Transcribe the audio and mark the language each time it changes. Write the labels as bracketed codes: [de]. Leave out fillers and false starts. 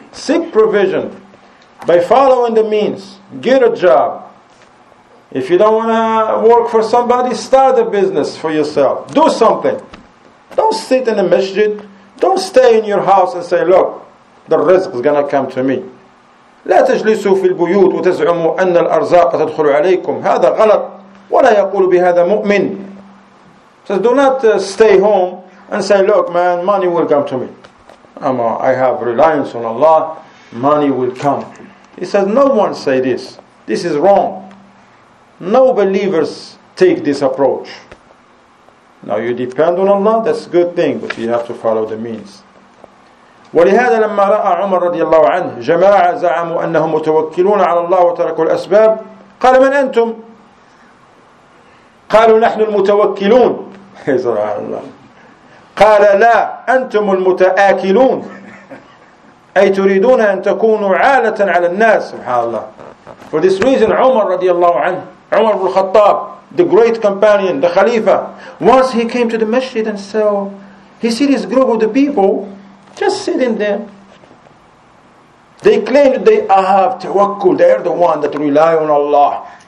[en] Seek provision by following the means. Get a job. If you don't want to work for somebody, start a business for yourself. Do something. Don't sit in a masjid. Don't stay in your house and say, look, the rizq is going to come to me. [ar] لا تجلسوا في البيوت وتزعموا أن الأرزاق تدخل عليكم. هذا غلط. ولا يقول بهذا مؤمن. [en] Says, do not stay home and say, look, man, money will come to me. I have reliance on Allah. Money will come. He says, no one say this. This is wrong. No believers take this approach. Now you depend on Allah, that's a good thing, but you have to follow the means. [ar] وَلِهَذَا لَمَّا رَأَى عُمَرَ رَضِيَ اللَّهُ عَنْهِ جَمَاعَ زَعَمُوا أَنَّهُمْ مُتَوَكِّلُونَ عَلَى اللَّهُ وَتَرَكُوا الْأَسْبَابِ قَالَ مَنْ أَنْتُمْ قَالُوا نَحْنُ الْمُتَوَكِّلُونَ سبحان الله. قال لا أنتم المتآكلون أي تريدون أن تكونوا عالة على الناس سبحان الله. [en] For this reason Umar radiallahu anhu, Umar ibn al-Khattab, the great companion, the Khalifa, once he came to the masjid and saw, he see this group of the people just sitting there. They claim that they have tawakkul, they are the one that rely on Allah.